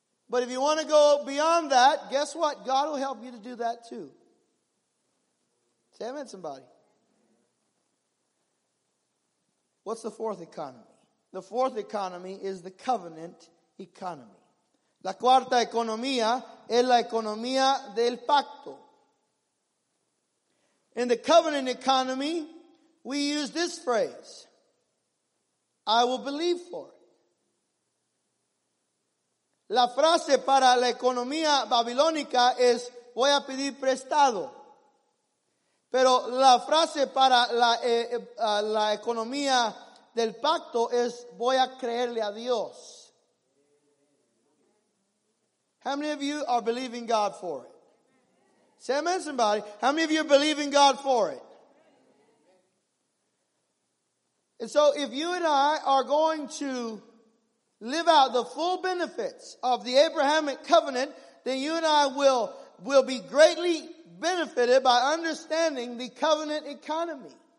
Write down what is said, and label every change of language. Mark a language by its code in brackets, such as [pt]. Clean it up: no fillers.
[en] But if you want to go beyond that, guess what? God will help you to do that too. Say amen, somebody. What's the fourth economy? The fourth economy is the covenant economy. [es] La cuarta economía es la economía del pacto. [en] In the covenant economy, we use this phrase, I will believe for it. [es] La frase para la economía babilónica es, voy a pedir prestado. Pero la frase para la economía del pacto es, voy a creerle a Dios. [en] How many of you are believing God for it? Say amen, somebody. How many of you are believing God for it? And so if you and I are going to live out the full benefits of the Abrahamic covenant, then you and I will be greatly benefited by understanding the covenant economy.